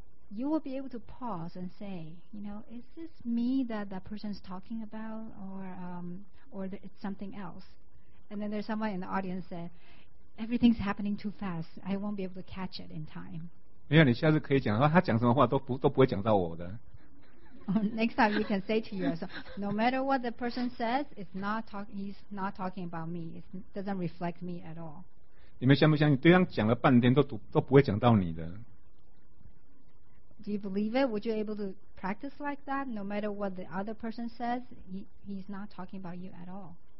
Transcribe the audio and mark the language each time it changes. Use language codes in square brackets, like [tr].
[en] You will be able to pause and say, you know, is this me that that person is talking about, or it's something else? And then there's someone in the audience that everything's happening too fast. I won't be able to catch it in time. [zh] 没有，你下次可以讲，他讲什么话都不会讲到我的。 [en] Next time you can say to yourself, no matter what the person says, he's not talking about me. It doesn't reflect me at all. [zh] 你们相不相信，对方讲了半天都不会讲到你的。 [en] Do you believe it? Would you able to practice like that? No matter what the other person says, he's not talking about you at all.